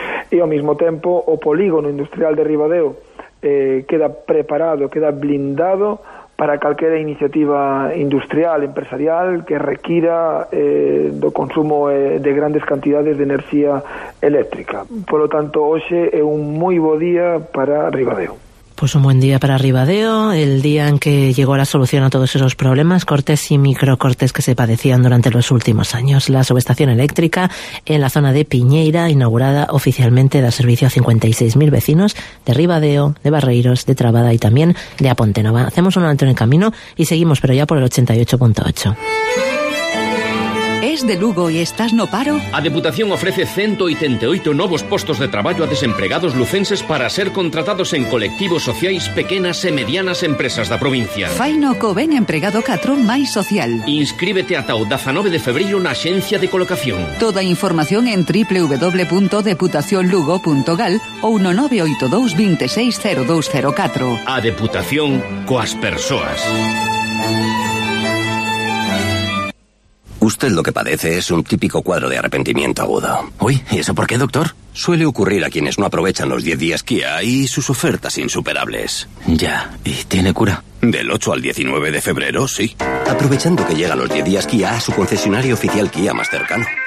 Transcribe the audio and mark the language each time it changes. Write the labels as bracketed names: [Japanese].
[Galician] E ao mesmo tempo o polígono industrial de Ribadeo queda preparado, queda blindado para calquera iniciativa industrial, empresarial, que requira do consumo de grandes cantidades de enerxía eléctrica. [Spanish] Por lo tanto, [Galician] hoxe é un moi bo día para Ribadeo. [Spanish] Pues un buen día para Ribadeo, el día en que llegó la solución a todos esos problemas, cortes y microcortes que se padecían durante los últimos años. La subestación eléctrica en la zona de Piñeira, inaugurada oficialmente, da servicio a 56.000 vecinos de Ribadeo, de Barreiros, de Trabada y también de Apontenova. Hacemos un alto en el camino y seguimos, pero ya por el 88.8. ¿Es de Lugo y estás [Galician] no paro? A Deputación ofrece 188 novos postos de traballo a desempregados lucenses para ser contratados en colectivos sociais pequenas e medianas empresas da provincia. Faino co ben empregado Catrón máis social. Inscríbete ata o 19 de febreiro na Axencia de Colocación. Toda información en www.deputacionlugo.gal ou no 982-260204. A Deputación coas persoas. [Spanish] Usted lo que padece es un típico cuadro de arrepentimiento agudo. Uy, ¿y eso por qué, doctor? Suele ocurrir a quienes no aprovechan los 10 días Kia y sus ofertas insuperables. Ya, ¿y tiene cura? Del 8 al 19 de febrero, sí. Aprovechando que llega los 10 días Kia a su concesionario oficial Kia más cercano.